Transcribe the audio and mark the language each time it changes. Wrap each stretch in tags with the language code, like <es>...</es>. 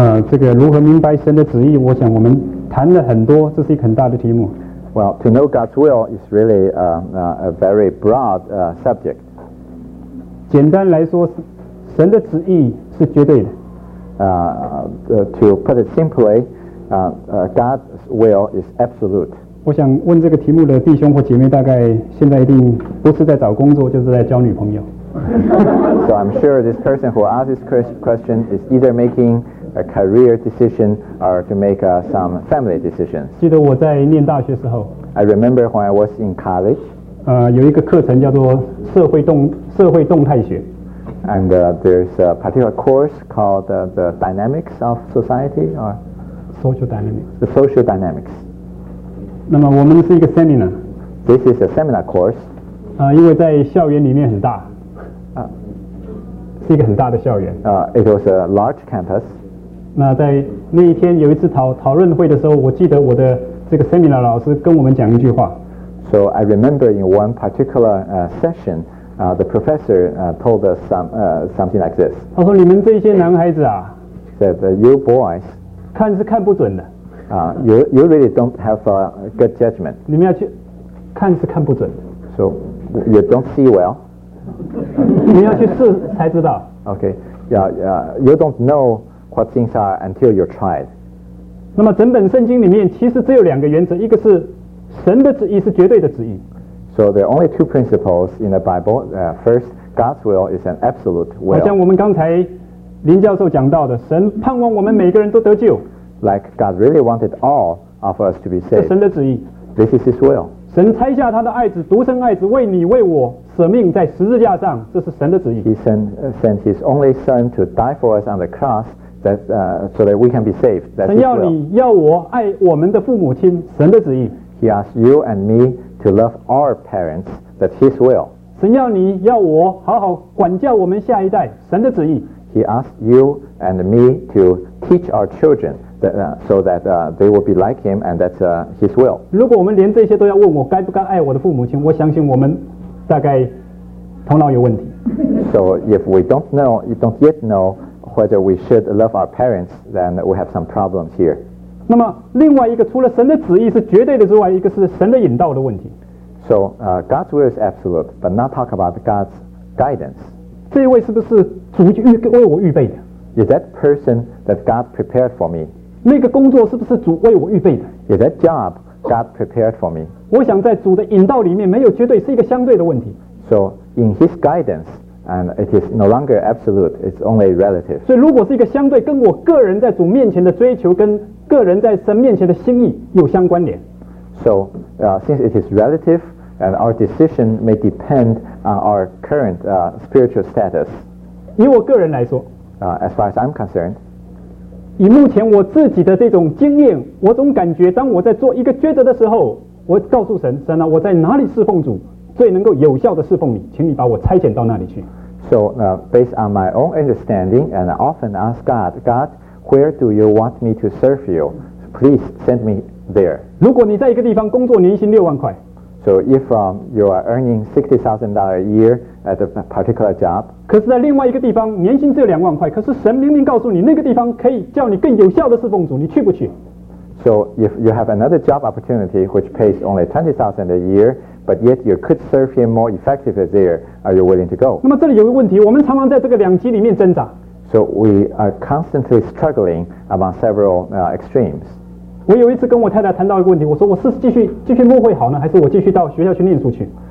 <zh>这个如何明白神的旨意？我想我们谈了很多，这是一个很大的题目。</zh> <en>Well, to know God's will is really a very broad subject.</en> <zh>简单来说，神的旨意是绝对的。</zh> <en>To put it simply, God's will is absolute.</en> <zh>我想问这个题目的弟兄或姐妹，大概现在一定不是在找工作，就是在交女朋友。</zh> <en>So I'm sure this person who asked this question is either making a career decision or to make some family decisions.</en> <zh>记得我在念大学时候</zh> <en>I remember when I was in college.</en> <zh>有一个课程叫做社会动态学</zh> <en>And there's a particular course called the dynamics of society or social dynamics. The social dynamics.</en> <zh>那么我们是一个 seminar.</zh> <en>This is a seminar course.</en> <zh>因为在校园里面很大。是一个很大的校园。</zh> <en>It was a large campus.</en> <zh>那在那一天有一次讨论会的时候，我记得我的这个 seminar 老师跟我们讲一句话。</zh> <en>So I remember in one particular session, the professor told us something like this.</en> <zh>他说：“你们这些男孩子啊</zh> <en>，said you boys，</en> <zh>看是看不准的。</zh> <en>You really don't have a good judgment.</en> <zh>你们要去看是看不准的。</zh> <en>So you don't see well.”</en> <zh>你要去试才知道。</zh> <en>Okay, you don't know what things are until you tried.</en> <zh>那么整本圣经里面其实只有两个原则，一个是神的旨意是绝对的旨意。</zh> <en>So there are only two principles in the Bible. First, God's will is an absolute will.</en> <zh>好像我们刚才林教授讲到的，神盼望我们每个人都得救。</zh> <en>Like God really wanted all of us to be saved.</en> <zh>神的旨意。</zh> <en>This is His will.</en> <zh>神拆下他的爱子，独生爱子，为你为我舍命在十字架上，这是神的旨意。</zh> <en>He sent his only son to die for us on the cross, that so that we can be saved.</en> <zh>神要你要我爱我们的父母亲，神的旨意。</zh> <en>He asked you and me to love our parents. That's his will.</en> <zh>神要你要我好好管教我们下一代，神的旨意。</zh> <en>He asked you and me to teach our children that, so that they will be like him, and that's his will.</en> <zh>如果我们连这些都要问我该不该爱我的父母亲，我相信我们大概头脑有问题。</zh> <en>So if we don't know, you don't yet know whether we should love our parents, then we have some problems here.</en> <zh>那么另外一个，除了神的旨意是绝对的之外，一个是神的引导的问题。</zh> <en>So God's will is absolute, but not talk about God's guidance.</en> <zh>这位是不是主预为我预备的？</zh> <en>Is that person that God prepared for me?</en> <zh>那个工作是不是主为我预备的？</zh> <en>Is that job God prepared for me?</en> <zh>我想在主的引导里面没有绝对，是一个相对的问题。</zh> <en>So in His guidance, and it is no longer absolute, it's only relative.</en> <zh>所以如果是一个相对，跟我个人在主面前的追求，跟个人在神面前的心意有相关联。</zh> <en>So, since it is relative, and our decision may depend on our current spiritual status.</en> <zh>以我个人来说，</zh> <en>as far as I'm concerned,</en> <zh>以目前我自己的这种经验，我总感觉当我在做一个抉择的时候，我告诉神，神啊，我在哪里侍奉主，最能够有效的侍奉你，请你把我差遣到那里去。</zh> <en>So, based on my own understanding, and I often ask God, God, where do you want me to serve you? Please send me there.</en> <zh>如果你在一个地方工作年薪六万块，</zh> <en>So if you are earning $60,000 a year at a particular job,</en> <zh>可是在另外一个地方年薪只有两万块，可是神明明告诉你那个地方可以叫你更有效的侍奉主，你去不去？</zh> <en>So if you have another job opportunity which pays only $20,000 a year, but yet you could serve him more effectively there, are you willing to go?</en> <zh>那么这里有一个问题，我们常常在这个两极里面挣扎。</zh> <en>So we are constantly struggling among several extremes.</en> <zh>我有一次跟我太太谈到一个问题，我说我是继续牧会好呢，还是我继续到学校去念书去？</zh>